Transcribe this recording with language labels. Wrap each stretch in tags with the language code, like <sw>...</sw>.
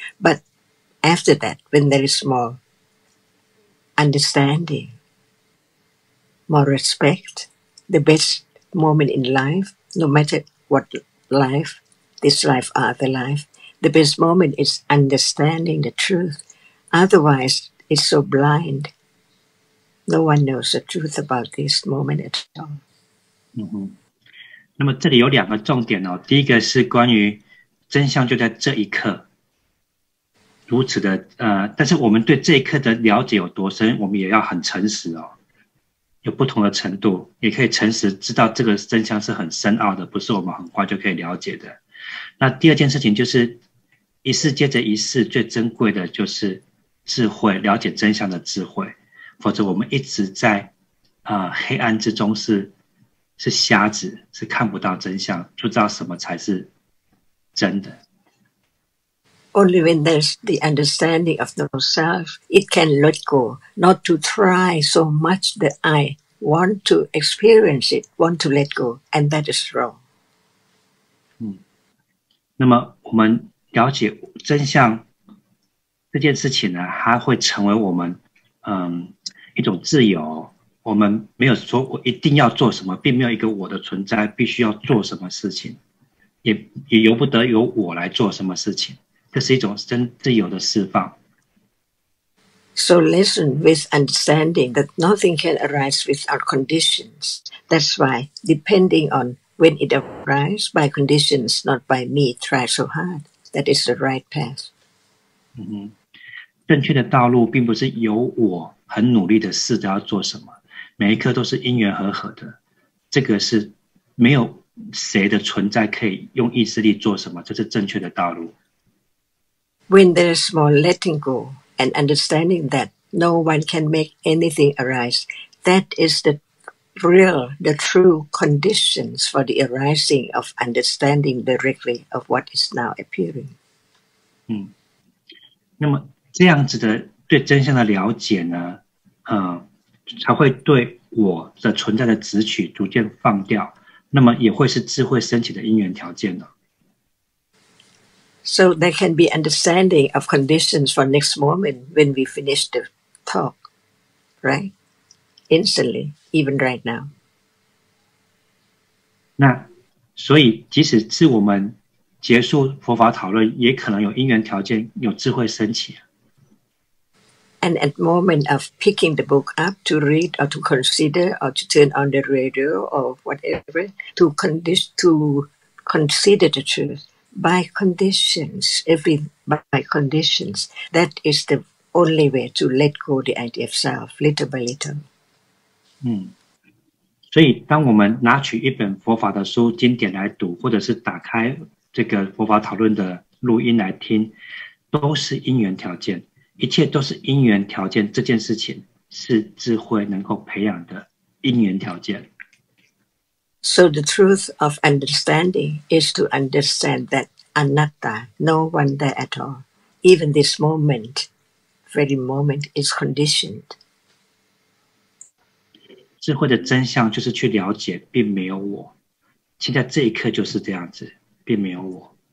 <en>But after that, when there is more understanding, more respect, the best moment in life, no matter what life, this life, other life. The best moment is understanding the truth. Otherwise, it's so blind. No one knows the truth about this moment at all.</en> <zh>嗯哼，那么这里有两个重点哦。第一个是关于真相就在这一刻，如此的但是我们对这一刻的了解有多深，我们也要很诚实哦。有不同的程度，也可以诚实知道这个真相是很深奥的，不是我们很快就可以了解的。那第二件事情就是一世接着一世，最珍贵的就是智慧，了解真相的智慧。否则我们一直在黑暗之中是瞎子，是看不到真相，不知道什么才是真的。</zh> <en>Only when there's the understanding of the self, it can let go, not to try so much that I want to experience it, want to let go, and that is wrong.</en> <zh>那么我们了解真相这件事情呢，它会成为我们一种自由。我们没有说我一定要做什么，并没有一个我的存在必须要做什么事情，也由不得由我来做什么事情。这是一种真自由的释放。</zh> <en>So listen with understanding that nothing can arise without conditions. That's why depending on when it arises by conditions, not by me, try so hard. That is the right path.</en> <zh>正确的道路并不是由我很努力的试着要做什么，每一刻都是因缘和合的。这个是没有谁的存在可以用意志力做什么，这是正确的道路。</zh> <en>When there's more letting go and understanding that no one can make anything arise, that is the real, the true conditions for the arising of understanding directly of what is now appearing.</en> <zh>那么这样子的对真相的了解呢，才会对我的存在的执取逐渐放掉，那么也会是智慧升起的因缘条件呢。</zh> <en>So there can be understanding of conditions for next moment when we finish the talk, right? Instantly, even right now.</en> <zh>那所以即使是我们结束佛法讨论，也可能有因缘条件，有智慧升起。</zh> <en>And at moment of picking the book up to read or to consider or to turn on the radio or whatever, to consider the truth. By conditions, that is the only way to let go the idea of self, little by little.</en> <zh>所以当我们拿取一本佛法的书经典来读，或者是打开这个佛法讨论的录音来听，都是因缘条件，一切都是因缘条件，这件事情是智慧能够培养的因缘条件。</zh> <en>So the truth of understanding is to understand that anatta, no one there at all, even this moment, very moment, is conditioned.</en> <zh>智慧的真相就是去了解，并没有我。现在这一刻就是这样子，并没有我。</zh>